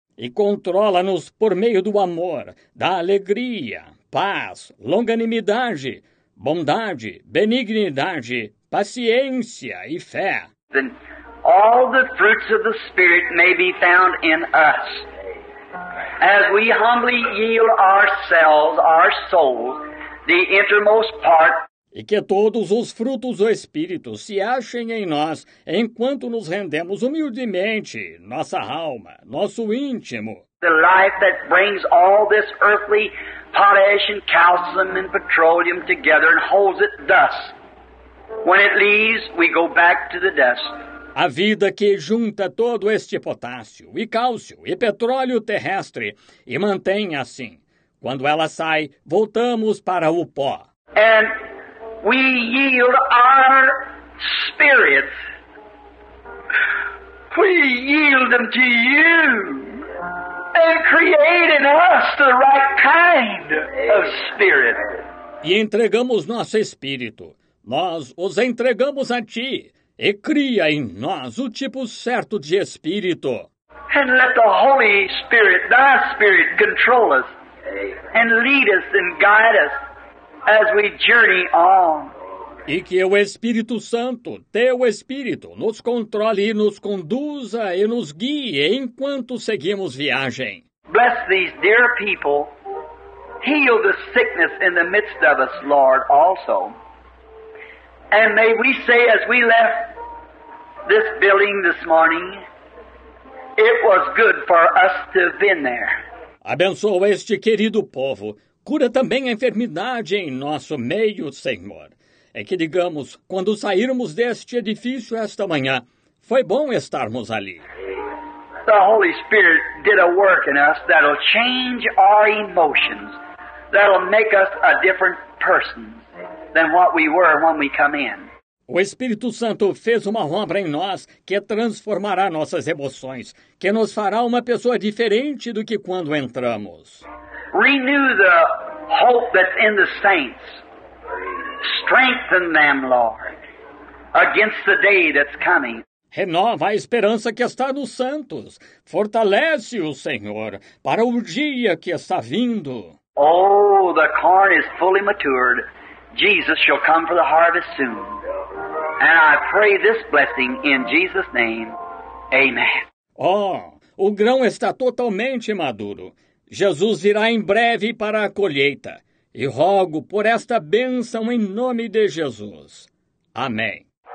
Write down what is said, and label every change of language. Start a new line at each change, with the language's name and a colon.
Portuguese: e controla-nos por meio do amor, da alegria, paz, longanimidade, bondade, benignidade, paciência e fé.
English: Then all the fruits of the Spirit may be found in us. As we humbly yield ourselves, our soul, the innermost part.
Portuguese: E que todos os frutos do Espírito se achem em nós, enquanto nos rendemos humildemente, nossa alma, nosso íntimo.
English: The life that brings all this earthly potash and calcium and petroleum together and holds it thus. When it leaves, we go back to the dust.
Portuguese: A vida que junta todo este potássio e cálcio e petróleo terrestre e mantém assim. Quando ela sai, voltamos para o pó.
English: And we yield our spirit. We yield them to you. And create in us the right kind of spirit.
Portuguese: E entregamos nosso espírito. Nós os entregamos a ti. E cria em nós o tipo certo de espírito.
English: And let the Holy Spirit, thy spirit, control us. And lead us and guide us. As we journey on.
Portuguese: E que o Espírito Santo, teu Espírito, nos controle e nos conduza e nos guie enquanto seguimos viagem.
English: Bless these dear people. Heal the sickness in the midst of us, Lord, also. And may we say as we left this building this morning, it was good for us to have been there.
Portuguese: Abençoa este querido povo. Cura também a enfermidade em nosso meio, Senhor. É que digamos, quando sairmos deste edifício esta manhã, foi bom estarmos ali.
English: The Holy Spirit did a work in us that'll change our emotions, that'll make us a different person than what we were when we come in.
Portuguese: O Espírito Santo fez uma obra em nós que transformará nossas emoções, que nos fará uma pessoa diferente do que quando entramos.
English: Renew the hope that's in the saints. Strengthen them, Lord, against the day that's coming.
Portuguese: Renova a esperança que está nos santos. Fortalece-os, Senhor, para o dia que está vindo.
English: Oh, the corn is fully matured. Jesus shall come for the harvest soon. And I pray this blessing in Jesus' name. Amen.
Portuguese: Oh, o grão está totalmente maduro. Jesus virá em breve para a colheita. E rogo por esta bênção em nome de Jesus. Amém.